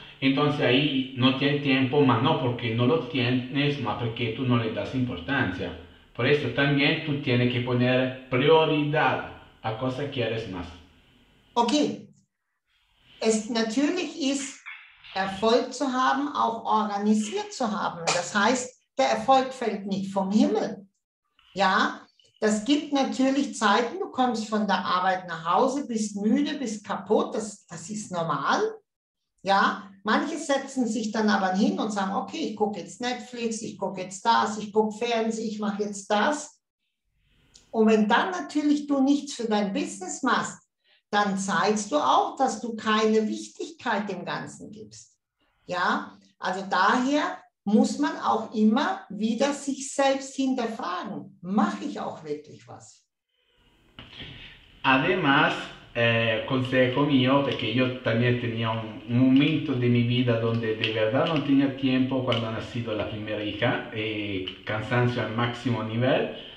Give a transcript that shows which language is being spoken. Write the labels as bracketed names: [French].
[Spanish] Entonces ahí no tienes tiempo, más no porque no lo tienes, más porque tú no le das importancia. Por eso también tú tienes que poner prioridad a cosas que quieres más. [German] Ok. Es natürlich es... Erfolg zu haben, auch organisiert zu haben. Das heißt, der Erfolg fällt nicht vom Himmel. Ja, das gibt natürlich Zeiten, du kommst von der Arbeit nach Hause, bist müde, bist kaputt, das ist normal. Ja, manche setzen sich dann aber hin und sagen, okay, ich gucke jetzt Netflix, ich gucke jetzt das, ich gucke Fernsehen, ich mache jetzt das. Und wenn dann natürlich du nichts für dein Business machst, dann zeigst du auch, dass du keine Wichtigkeit dem Ganzen gibst. Ja, also daher muss man auch immer wieder sich selbst hinterfragen. Mache ich auch wirklich was? [Spanish] Además, consejo mío, porque yo también tenía un momento de mi vida donde de verdad no tenía tiempo cuando ha nacido la primera hija, cansancio al máximo nivel.